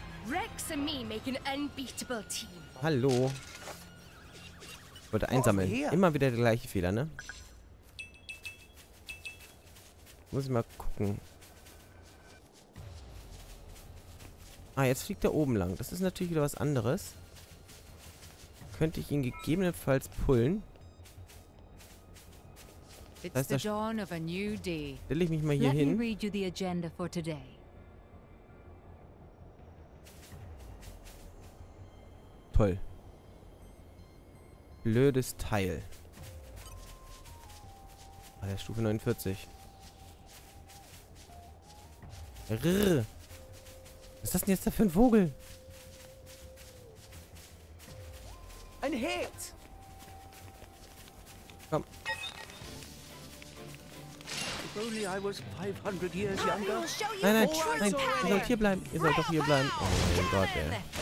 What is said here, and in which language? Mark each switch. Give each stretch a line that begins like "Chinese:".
English: Rex and me make an unbeatable team.
German: Hallo. Wollte einsammeln. Immer wieder der gleiche Fehler, ne? Muss ich mal gucken. Ah, jetzt fliegt er oben lang. Das ist natürlich wieder was anderes. Könnte ich ihn gegebenenfalls pullen?
English: It's the dawn of a new day.
German: Stelle ich mich mal hier hin.
English: Let me read you the agenda for today.
German: Kuppel. Blödes Teil. Ah, der ist Stufe 49. Rrr. Was ist das denn jetzt da für ein Vogel? Ein Herz! Komm.
English: If only I was 500 years younger.
German: Nein, nein, nein, ihr sollt hier bleiben. Ihr sollt doch hier bleiben. Oh mein Gott, ey.